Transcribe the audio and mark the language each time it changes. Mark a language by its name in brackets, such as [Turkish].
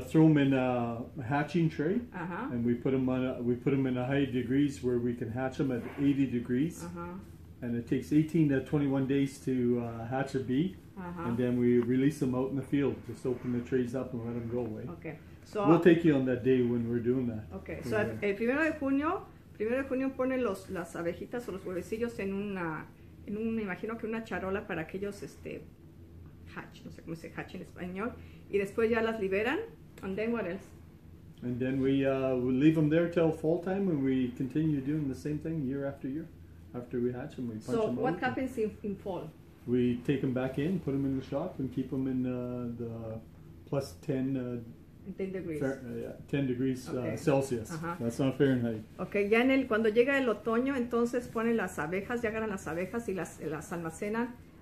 [English] We throw them in a hatching tray, and we put them on in a high degrees where we can hatch them at 80 degrees. And it takes 18 to 21 days to hatch a bee, and then we release them out in the field. Just open the trays up and let them go away. Okay. So we'll take you on that day when we're doing that. Okay. [Spanish] So el primero de junio pone las abejitas o los huevecillos en me imagino que una charola para que ellos hatch, no sé cómo se hatch en español, y después ya las liberan. [English] And then what else? And then we leave them there till fall time, and we continue doing the same thing year after year. After we hatch them, we punch them out. So what happens in fall? We take them back in, put them in the shop, and keep them in the plus 10 10 degrees Celsius. That's not Fahrenheit. [Spanish] Okay, ya cuando llega el otoño, entonces ponen las abejas, ya agarran las abejas y las almacenan.